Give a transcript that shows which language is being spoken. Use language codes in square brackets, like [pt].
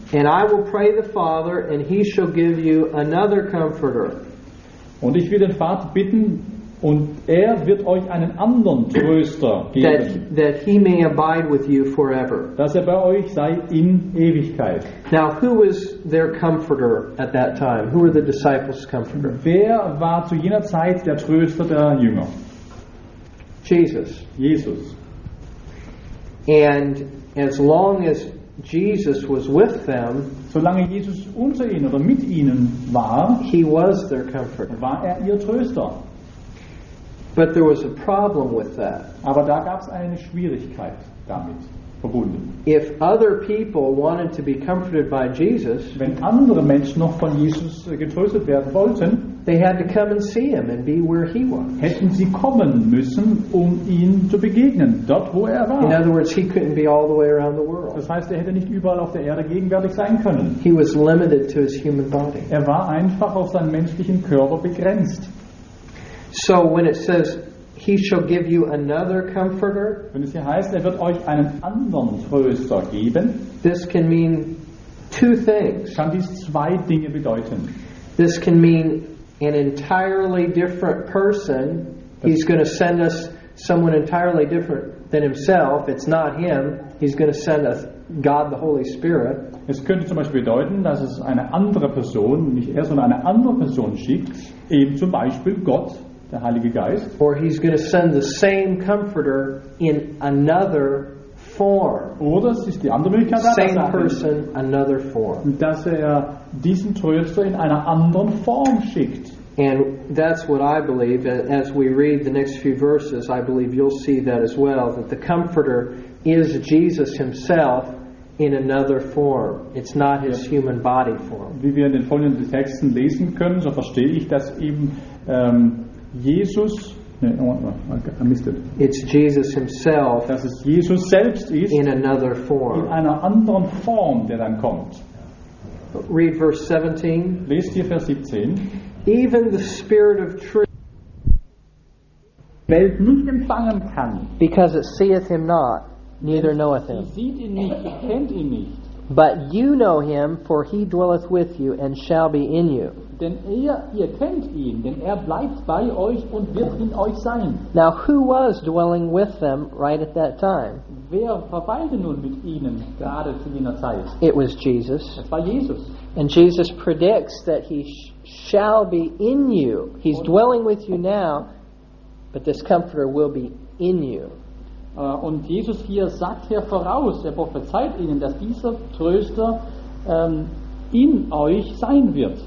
[en] And I will pray the Father, and he shall give you another Comforter. [de] Und ich will den Vater bitten, und wird euch einen anderen Tröster geben. [en] That he may abide with you forever. [de] Dass bei euch sei in Ewigkeit. [en] Now, who was their Comforter at that time? Who were the disciples' Comforter? [de] Wer war zu jener Zeit der Tröster der Jünger? [en] Jesus. And as long as Jesus was with them, [de] solange Jesus unter ihnen oder mit ihnen war, [en] he was their comforter. [de] War ihr Tröster. [en] But there was a problem with that. [de] Aber da gab's eine Schwierigkeit damit verbunden. [en] If other people wanted to be comforted by Jesus, [de] wenn andere Menschen noch von Jesus getröstet werden wollten, [en] they had to come and see him and be where he was. [de] Hätten sie kommen müssen, ihm zu begegnen, dort wo war. [en] In other words, he couldn't be all the way around the world. [de] Das heißt, hätte nicht überall auf der Erde gegenwärtig sein können. [en] He was limited to his human body. [de] War einfach auf seinen menschlichen Körper begrenzt. [en] So when it says he shall give you another comforter, [de] wenn es hier heißt, wird euch einen anderen Tröster geben, [en] this can mean two things. [de] Kann dies zwei Dinge bedeuten. [en] This can mean an entirely different person. He's going to send us someone entirely different than himself, it's not him, he's going to send us God the Holy Spirit. [de] Es könnte zum Beispiel bedeuten, dass es eine andere Person, nicht er, sondern eine andere Person schickt, eben zum Beispiel Gott, der Heilige Geist. [en] Or he's going to send the same Comforter in another form. [de] Oder es ist die andere Möglichkeit, dass [en] same person, another form. [de] Dass er diesen Tröster in einer anderen Form schickt. [en] And that's what I believe. As we read the next few verses, I believe you'll see that as well, that the Comforter is Jesus himself in another form. It's not his human body form. [de] Wie wir in den folgenden Texten lesen können, so verstehe ich, dass eben Jesus... [en] It's Jesus himself, [de] dass es Jesus selbst ist, [en] in another form. [de] In einer anderen Form, der dann kommt. [en] Read verse 17. [de] Lest hier Vers 17. [en] Even the spirit of truth, [de] Welt nicht empfangen kann, [en] because it seeth him not, neither knoweth him. [de] Sie sieht ihn nicht, kennt ihn nicht. [en] But you know him, for he dwelleth with you and shall be in you. [de] Denn ihr kennt ihn, denn bleibt bei euch und wird in euch sein. [en] Now who was dwelling with them right at that time? [de] Wer verweilte nun mit ihnen gerade zu jener Zeit? [en] It was Jesus. [de] Es war Jesus. [en] And Jesus predicts that he shall be in you. He's dwelling with you now, but this Comforter will be in you. [de] Und Jesus hier sagt hier voraus, er prophezeit ihnen, dass dieser Tröster in euch sein wird.